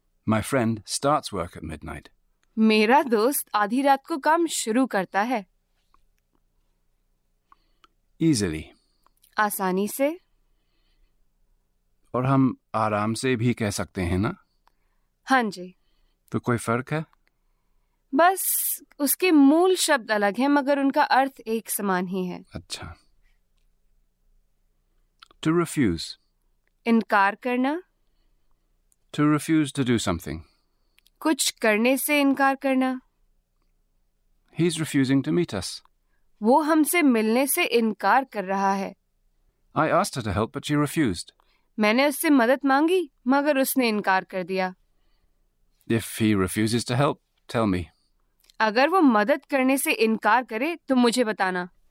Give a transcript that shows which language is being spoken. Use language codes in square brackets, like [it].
[en] My friend starts work at midnight. [hi] मेरा दोस्त आधी रात को काम शुरू करता है. [en] Easily. [hi] आसानी से. और हम आराम से भी कह सकते हैं ना? हाँ जी. तो कोई फर्क है? बस उसके मूल शब्द अलग हैं, मगर उनका अर्थ एक समान ही है. अच्छा. [en] To refuse. [hi] इनकार करना. [en] To refuse to do something. [hi] कुछ करने से इनकार करना. [en] He's refusing to meet us. [hi] वो हमसे मिलने से इनकार कर रहा है. [en] I asked her to help, but she refused. [hi] मैंने उससे मदद मांगी, मगर उसने इनकार कर दिया. [en] If he refuses to help, tell me. [hi] अगर वो मदद करने से इनकार करे तो मुझे बताना.